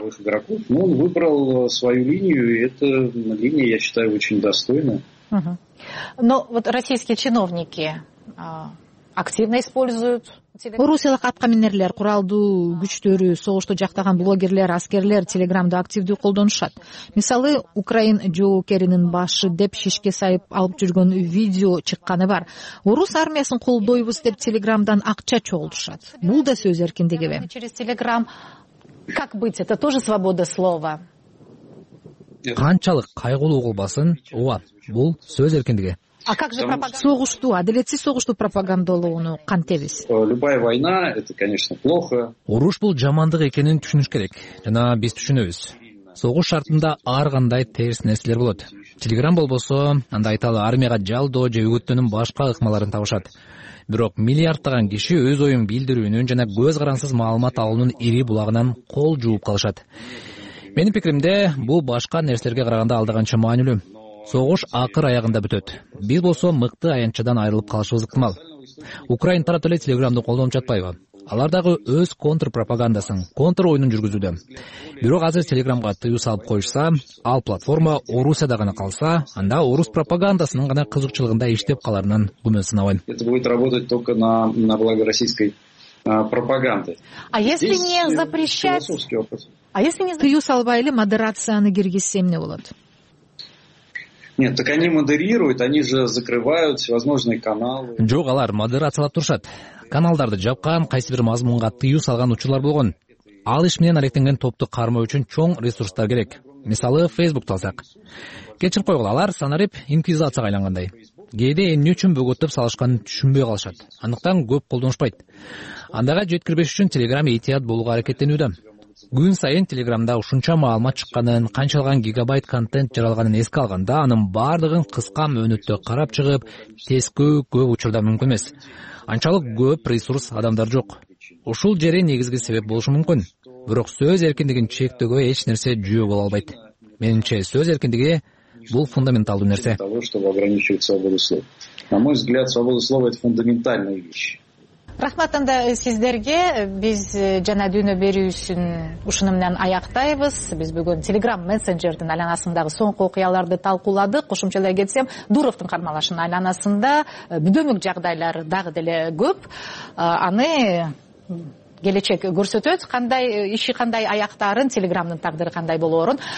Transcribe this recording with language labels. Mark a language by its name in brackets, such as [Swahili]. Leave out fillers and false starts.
[Russian] Он выбрал свою линию, и эта линия, я считаю, очень достойна. Но вот российские чиновники активно используют. [Kyrgyz] Орусиялык аткаминерлер, куралдуу күчтөрү, согушту жактаган блогерлер, аскерлер телеграмды активдүү колдонушат. Мисалы, Украин жоокеринин башы деп шишке сайып алып жүргөн видео чыкканы бар. Орус армиясын колдойбуз деп телеграмдан акча чогултушат. Бул да сөз эркиндигиби? [Russian] Через телеграм как быть? Это тоже свобода слова. [Kyrgyz] Канчалык кайгылуу болбосун, ооба, бул сөз эркиндиги. [Russian] А как же пропаганда? [Kyrgyz] Согушту, адилетсиз согушту пропагандалоону кантебиз? [Russian] Любая война это, конечно, плохо. [Kyrgyz] Уруш бул жамандык экенин түшүнүш керек жана биз түшүнөбүз. Согуш шартында ар кандай терс нерселер болот. Телеграм болбосо, анда айталы армияга жалдоо же үгүттөнүн башка ыкмаларын табышат. Бирок миллиарддаган киши өз оюн билдирүүнүн жана көз карансыз маалымат алуунун ири булагынан кол жууп калышат. Менин пикиримде, бул башка нерселерге караганда алдыганча маанилүү. Согуш акыр аягында бүтөт. Биз болсо мыкты аянтчыдан айрылып калышыбыз ыктымал. Украин тарап эле телеграмды колдонуп жатпайбы? Алар дагы өз контрпропагандасын, контр оюнун жүргүзүүдө. Бирок азыр телеграмга тыюу салып коюшса, ал платформа Орусияда гана калса, анда орус пропагандасынын гана кызыкчылыгында иштеп каларынан күмөн сынабайм. [Russian] Это будет работать только на благо российской пропаганды. А если не запрещать? [Kyrgyz] Тыюу салбай эле модерацияны киргизсе эмне болот? [Russian] Нет, так они модерируют, они же закрывают всевозможные каналы. [Kyrgyz] Жок, алар модерациялап турушат. Каналдарды жапкан, кайсы бир мазмунга тыюу салган учурлар болгон. Ал иш менен алектенген топту кармоо үчүн чоң ресурстар керек. Мисалы, Facebook алсак. Кечирип койгула, алар санарип инквизацияга айлангандай. Кээде эмне үчүн бөгөттөп салышканын түшүнбөй калышат. Андыктан көп колдонушпайт. Андага жеткирбеш үчүн Telegram этият болууга аракеттенүүдө. Күн сайын телеграмда ушунча маалымат чыкканын, канчалаган гигабайт контент жаралганын эске алганда, анын баардыгын кыска мөөнөттө карап чыгып, тескөө көп учурда мүмкүн эмес. Анчалык көп ресурс адамдар жок. Ушул жери негизги себеп болушу мүмкүн. бирок сөз эркиндигин чектөөгө эч нерсе жүйө боло албайт. Менинче, сөз эркиндиги бул фундаменталдуу нерсе. [Russian] На мой взгляд, свобода слова — это фундаментальная вещь. [Kyrgyz] Рахмат анда сиздерге. Биз жана дүйнө берүүсүн ушуну менен аяктайбыз. Биз бүгүн Telegram Messenger'дин айланасындагы соңку окуяларды талкууладык. Кошумча эле кетсем, Дуровдун кармалышынын айланасында бүдөмүк жагдайлар дагы деле көп. Аны келечек көрсөтөт, кандай иши кандай аяктарын, Telegram'дын тагдыры кандай болоорун.